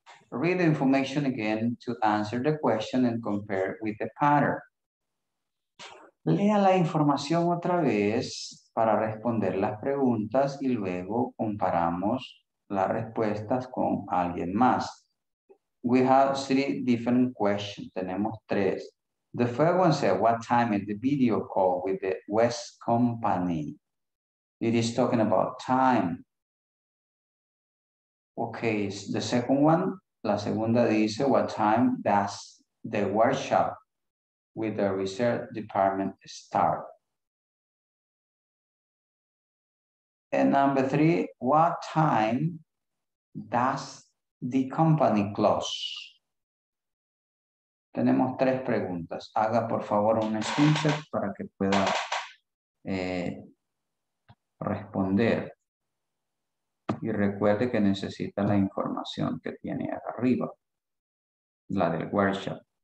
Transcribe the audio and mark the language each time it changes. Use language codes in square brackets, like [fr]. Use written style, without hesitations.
[en] Read the information again to answer the question and compare with the pattern. [es] Lea la información otra vez para responder las preguntas y luego comparamos las respuestas con alguien más. [en] We have 3 different questions. [es] Tenemos 3. [en] The first one said, what time is the video call with the West Company? It is talking about time. Okay, the second one, [es] la segunda dice, [en] what time does the workshop with the research department start? And number 3, what time does the company close? [es] Tenemos 3 preguntas. Haga por favor un screenshot para que pueda responder. Y recuerde que necesita la información que tiene arriba, la del workshop.